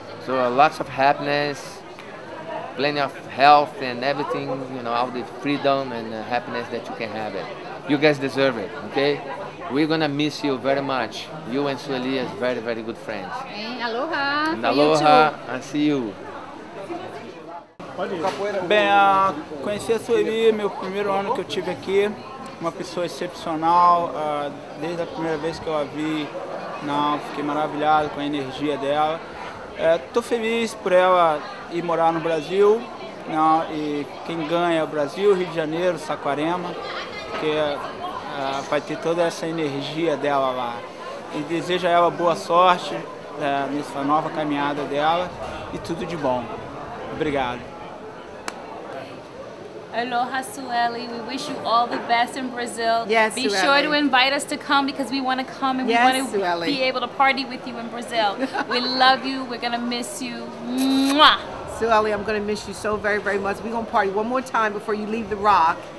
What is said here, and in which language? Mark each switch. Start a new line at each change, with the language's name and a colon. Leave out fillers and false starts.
English: So lots of happiness, plenty of health and everything, you know, all the freedom and happiness that you can have it. You guys deserve it, okay? We're gonna miss you very much. You and Sueli are very, very good friends. Aloha! And aloha, and see you.
Portuguese: Bem, conheci a Sueli, meu primeiro ano que eu tive aqui. Uma pessoa excepcional. Desde a primeira vez que eu a vi, não, fiquei maravilhado com a energia dela. Tô feliz por ela ir morar no Brasil. Não, e quem ganha é o Brasil, Rio de Janeiro, Saquarema. Porque vai ter toda essa energia dela lá. E desejo a ela boa sorte nessa nova caminhada dela e tudo de bom. Obrigado.
English: Aloha, Sueli. We wish you all the best in Brazil. Yes, be sure to invite us to come because we want to come and yes, we want to Sueli. Be able to party with you in Brazil. We love you. We're going to miss you. Mwah! Sueli, I'm going to miss you so very, very much. We're going to party one more time before you leave the Rock.